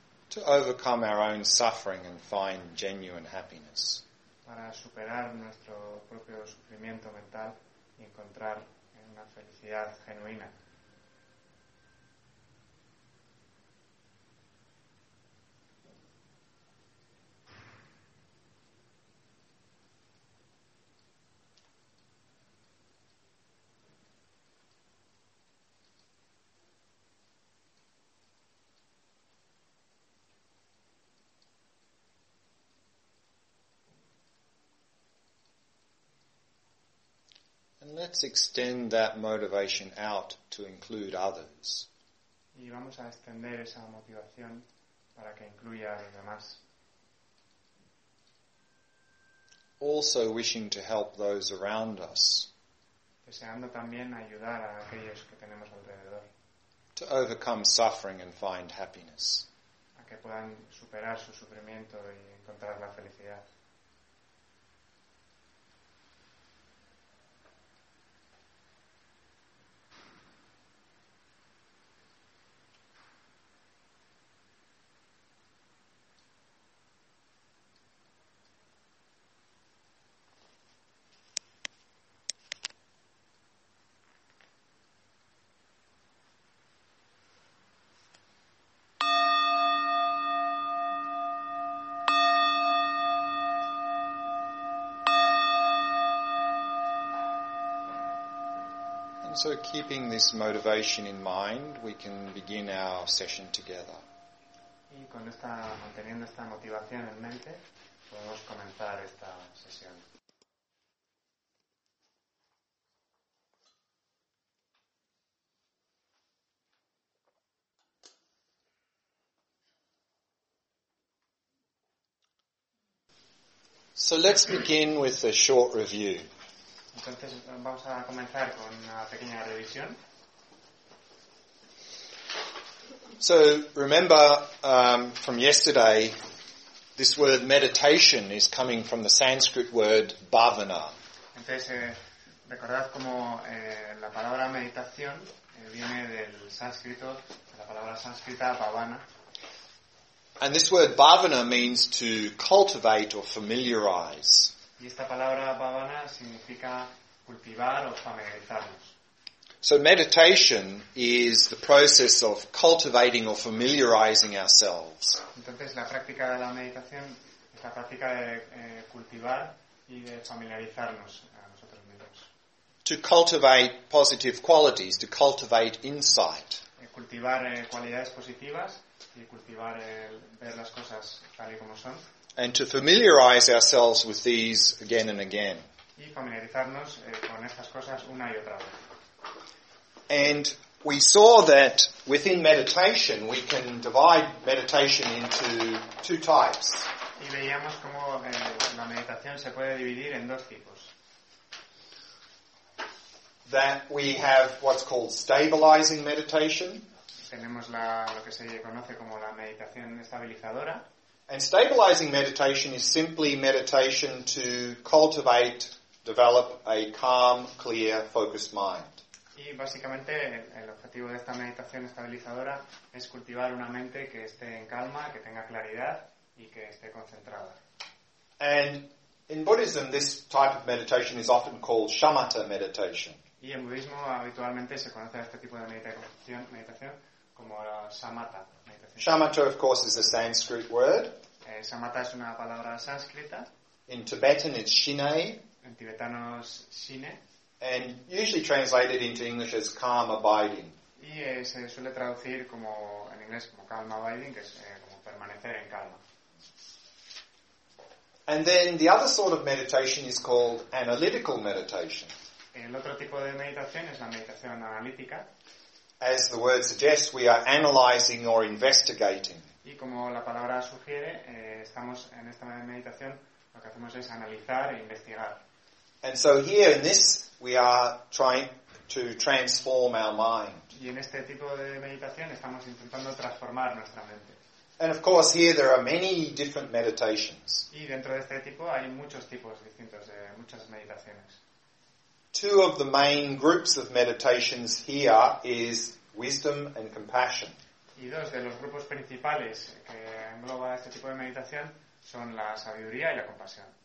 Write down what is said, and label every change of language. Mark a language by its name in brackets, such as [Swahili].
[English] To overcome our own suffering and find genuine happiness. [Spanish] Para superar nuestro propio sufrimiento mental y encontrar una felicidad genuina. [English] let's extend that motivation out to include others. [Spanish] Y vamos a extender esa motivación para que incluya a los demás. [English] Also wishing to help those around us. [Spanish] Deseando también ayudar a aquellos que tenemos alrededor. [English] To overcome suffering and find happiness. [Spanish] A que puedan superar su sufrimiento y encontrar la felicidad. [English] So keeping this motivation in mind, we can begin our session together. [Spanish] Y con esta, manteniendo esta motivación en mente, podemos comenzar esta sesión. [English] So let's begin with a short review. [Spanish] Entonces vamos a comenzar con una pequeña revisión. [English] So remember from yesterday, this word meditation is coming from the Sanskrit word bhavana. [Spanish] Entonces recordad cómo la palabra meditación viene del sánscrito, la palabra sánscrita bhavana. [English] And this word bhavana means to cultivate or familiarize. [Spanish] Y esta palabra bhavana significa cultivar o familiarizarnos. [English] So meditation is the process of cultivating or familiarizing ourselves. [Spanish] Entonces la práctica de la meditación es la práctica de cultivar y de familiarizarnos a nosotros mismos. [English] To cultivate positive qualities, to cultivate insight. [Spanish] Cultivar cualidades positivas y cultivar ver las cosas tal y como son. [English] And to familiarize ourselves with these again and again. [Spanish] Y familiarizarnos con estas cosas una y otra vez. [English] And we saw that within meditation we can divide meditation into two types. [Spanish] Y veíamos cómo la meditación se puede dividir en dos tipos. [English] That we have what's called stabilizing meditation. [Spanish] Tenemos la, lo que se conoce como la meditación estabilizadora. [English] And stabilizing meditation is simply meditation to cultivate, develop a calm, clear, focused mind. [Spanish] Y básicamente el objetivo de esta meditación estabilizadora es cultivar una mente que esté en calma, que tenga claridad y que esté concentrada. [English] And in Buddhism this type of meditation is often called shamatha meditation. [Spanish] Y en budismo habitualmente se conoce a este tipo de meditación como la shamatha. [English] Shamatha, of course, is a Sanskrit word. [Spanish] Shamatha es una palabra sánscrita. [English] In Tibetan, it's shine. [Spanish] En tibetano es shine. [English] And usually translated into English as calm abiding. [Spanish] Y se suele traducir como en inglés como calm abiding, que es como permanecer en calma. [English] And then the other sort of meditation is called analytical meditation. [Spanish] El otro tipo de meditación es la meditación analítica. [English] As the word suggests, we are analyzing or investigating. [Spanish] Y como la palabra sugiere, estamos en esta meditación, lo que hacemos es analizar e investigar. [English] And so here in this, we are trying to transform our mind. [Spanish] Y en este tipo de meditación estamos intentando transformar nuestra mente. [English] And of course here there are many different meditations. [Spanish] Y dentro de este tipo hay muchos tipos distintos, muchas meditaciones. [English] Two of the main groups of meditations here is wisdom and compassion. [Spanish] Y dos de los grupos principales que engloba este tipo de meditación son la sabiduría y la compasión.